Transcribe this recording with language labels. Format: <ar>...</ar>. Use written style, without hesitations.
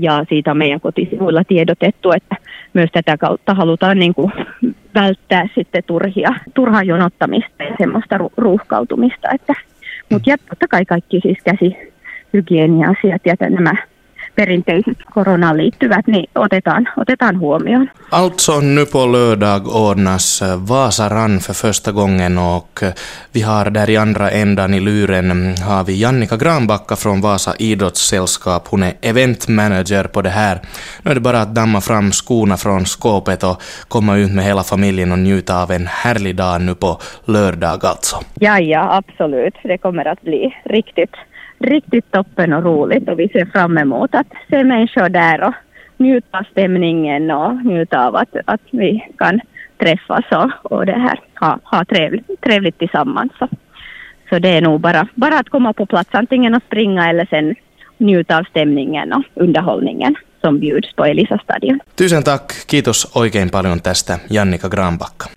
<fi>Ja siitä on meidän kotisivuilla tiedotettu, että myös tätä kautta halutaan niin kuin välttää sitten turhaa jonottamista ja semmoista ruuhkautumista. Mutta totta kai kaikki siis käsihygienia-asiat ja nämä perinteiset koronaan liittyvät, niin otetaan huomioon.</fi> <sv>Alltså nu på lördag ordnas Vasa Run för första gången och vi har där i andra ändan i luren har vi Jannika Granbacka från Vasa idrottssällskap. Hon är event manager på det här. Nu är det bara att damma fram skorna från skåpet och komma ut med hela familjen och njuta av en härlig dag nu på lördag alltså. Ja, absolut. Det kommer att bli riktigt toppen och roligt, och vi ser fram emot att se människor där och njuta av stämningen och njuta av att vi kan träffas och det här ha trevligt tillsammans. Så det är nog bara att komma på plats, antingen och springa eller sen njuta av stämningen och underhållningen som bjuds på Elisa-stadion. Tusen tack, kiitos oikein paljon tästä, Jannika Granbacka.</sv>